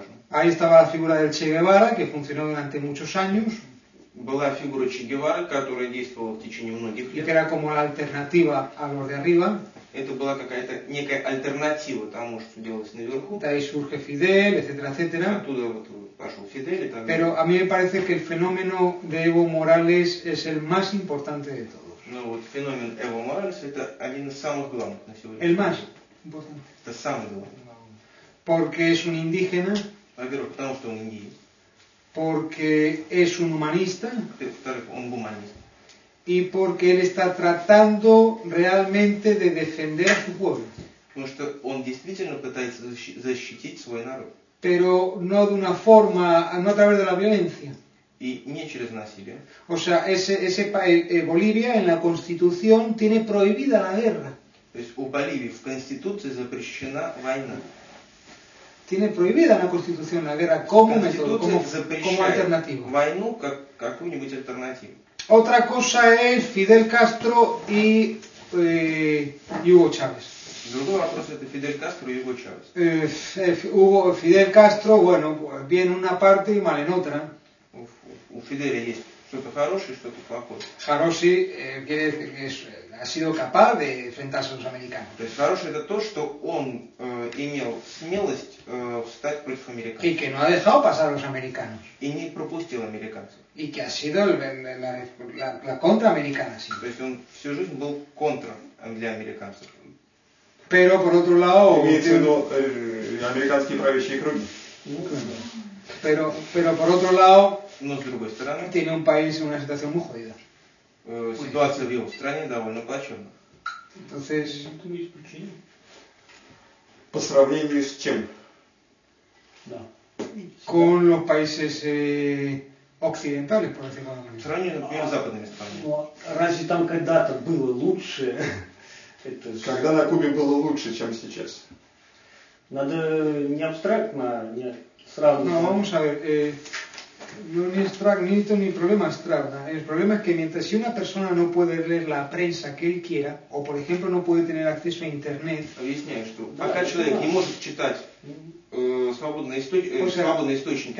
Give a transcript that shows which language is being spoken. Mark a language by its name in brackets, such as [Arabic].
[Spanish] Ahí estaba la figura del Che Guevara, que funcionó durante muchos años. [Russian] Была фигура Че Гевары, которая действовала в течение многих лет. [Spanish] Era como la alternativa a los de arriba. [Russian] Это была какая-то некая альтернатива тому, что делалось наверху. Да, и [Spanish] surge Fidel, etcétera, etcétera. [Russian] Оттуда вот пошел Фидель и так далее. [Spanish] Pero a mí me parece que el fenómeno de Evo Morales es el más importante de todos. [Russian] Ну вот феномен Evo Morales это один из самых главных на сегодня. [Spanish] El más importante. [Russian] Это самый главный. [Spanish] Porque es un indígena. [Russian] Во-первых, потому что он индийец. [Spanish] Porque es un humanista. Un humanista. Y porque él está tratando realmente de defender su pueblo. [Russian] Потому что он действительно пытается защитить свой народ. [Spanish] Pero no de una forma, no a través de la violencia. [Russian] Y не через насилие. [Spanish] O sea, Bolivia en la Constitución tiene prohibida la guerra. [Russian] То есть у Боливии в Конституции запрещена война. [Spanish] Tiene prohibida en la Constitución la guerra como método, como alternativa. [Russian] Войну как какую-нибудь альтернативу. [Spanish] Otra cosa es Fidel Castro y Hugo Chávez. [Russian] Другой вопрос это Фидель Кастро и Хуго Чавес. [Spanish] Фидель Кастро, bueno, bien en una parte y mal en otra. [Russian] У Фиделя есть что-то хорошее, что-то плохое. Хороший, [Spanish] quiere decir que ha sido capaz de enfrentarse a los americanos. [Russian] То есть хорошее это то, что он имел смелость встать против американцев. [Spanish] И que no ha dejado pasar a los americanos. [Russian] И не пропустил американцев. [Spanish] Y que ha sido la contraamericana, sí. [Russian] То есть он всю жизнь был контра для американцев. [Spanish] Pero por otro lado... [Russian] Имеется в виду американские правящие круги. [Spanish] Pero por otro lado... [Russian] Но с другой стороны... [Spanish] Tiene un país en una situación muy jodida. [Russian] Ситуация в его стране довольно плачевная. [Spanish] Entonces... [Russian] По сравнению с чем? Да. [Spanish] Con los países... Occidentales, por decirlo así. [Russian] В сравнении, например, с западными странами. Ну, разве там когда-то было лучше? Когда на Кубе было лучше, чем сейчас? Надо не абстрактно, не сразу... [Spanish] No, vamos a ver. No es ni problema abstracto. El problema es que mientras si una persona no puede leer la prensa que él quiera, o por ejemplo no puede tener acceso a internet... [Russian] Объясняю, что да, пока человек не может читать свободные источники...